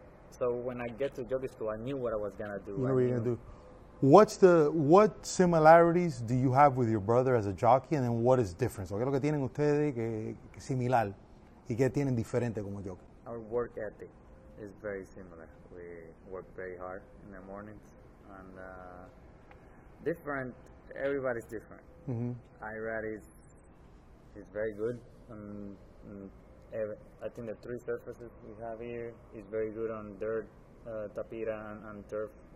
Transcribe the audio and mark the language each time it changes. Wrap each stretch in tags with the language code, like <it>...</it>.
<en>So when I get to jockey school, I knew what I was going to do. You know what you're going to do? What similarities do you have with your brother as a jockey, and then what is different?</en> <es>¿Qué es lo que tienen ustedes que similar y qué tienen diferente como jockey?</es> <en>Our work ethic is very similar. We work very hard in the mornings, and different. Everybody's different. Mm-hmm. Irad is very good, and I think the three surfaces we have here is very good on dirt, tapira, and turf.</en>